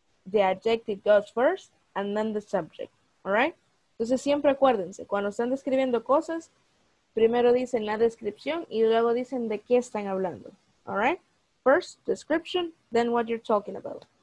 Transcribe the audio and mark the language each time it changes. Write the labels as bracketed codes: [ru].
[en] The adjective goes first, and then the subject. [es] Alright, entonces siempre acuérdense, cuando están describiendo cosas, primero dicen la descripción y luego dicen de qué están hablando. [en] Alright, first description, then what you're talking about.